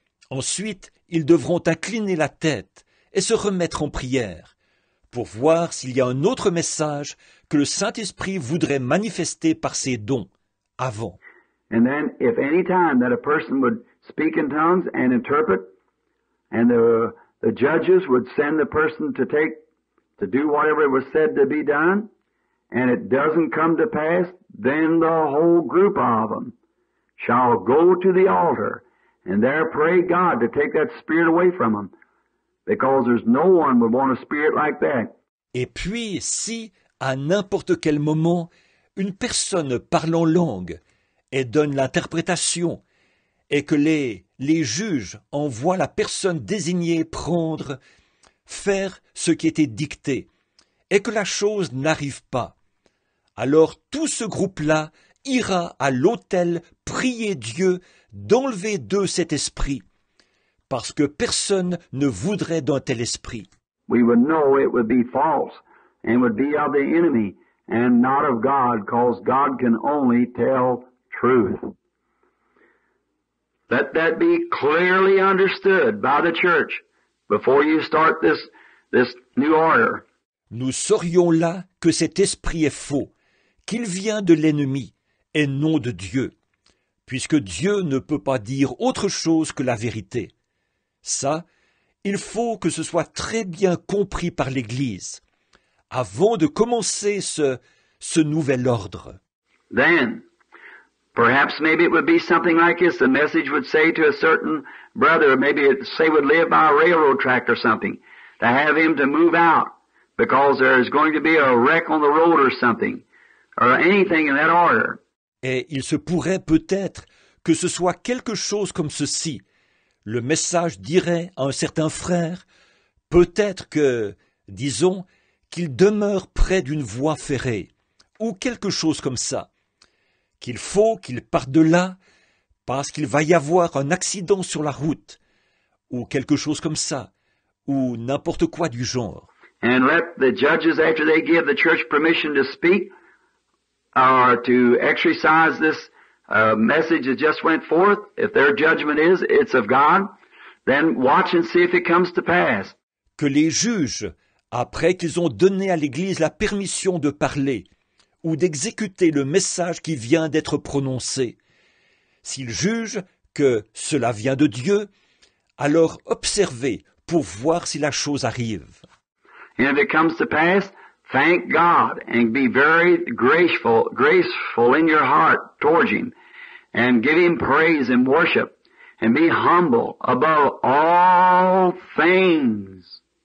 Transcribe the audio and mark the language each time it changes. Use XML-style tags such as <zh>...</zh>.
<fr>Ensuite, ils devront incliner la tête et se remettre en prière pour voir s'il y a un autre message que le Saint-Esprit voudrait manifester par ses dons avant.</fr> <en>And then, if any time that a person would speak in tongues and interpret, and the judges would send the person to do whatever was said to be done, and it doesn't come to pass, then the whole group of them shall go to the altar and there pray God to take that spirit away from them, because there's no one would want a spirit like that.</en> <fr>Et puis, si, à n'importe quel moment, une personne parle en langue et donne l'interprétation, et que les juges envoient la personne désignée prendre, faire ce qui était dicté, et que la chose n'arrive pas, alors tout ce groupe-là ira à l'autel prier Dieu d'enlever d'eux cet esprit, parce que personne ne voudrait d'un tel esprit.</fr> <en>We would know it would be false, and would be of the enemy, and not of God, because God can only tell truth. Let that be clearly understood by the church before you start this new order.</en> <fr>Nous saurions là que cet esprit est faux, qu'il vient de l'ennemi et non de Dieu. puisque Dieu ne peut pas dire autre chose que la vérité. Ça, il faut que ce soit très bien compris par l'Église, avant de commencer ce nouvel ordre.</fr> <en>Then, perhaps maybe it would be something like this. The message would say to a certain brother, maybe it say would live by a railroad track or something, to have him to move out because there is going to be a wreck on the road or something, or anything in that order.</en> <fr>Et il se pourrait peut-être que ce soit quelque chose comme ceci. Le message dirait à un certain frère, peut-être que, disons, qu'il demeure près d'une voie ferrée, ou quelque chose comme ça. Qu'il faut qu'il parte de là, parce qu'il va y avoir un accident sur la route, ou quelque chose comme ça, ou n'importe quoi du genre.</fr> <en>And let the judges, after they give the church permission to speak, or to exercise this message that just went forth, if their judgment is, it's of God, then watch and see if it comes to pass.</en> <fr>Que les juges, après qu'ils ont donné à l'Église la permission de parler, ou d'exécuter le message qui vient d'être prononcé. S'ils jugent que cela vient de Dieu, alors observez pour voir si la chose arrive.</fr> <en>And if it comes to pass, thank God and be very graceful in your heart towards him and give him praise and worship and be humble above all things.</en>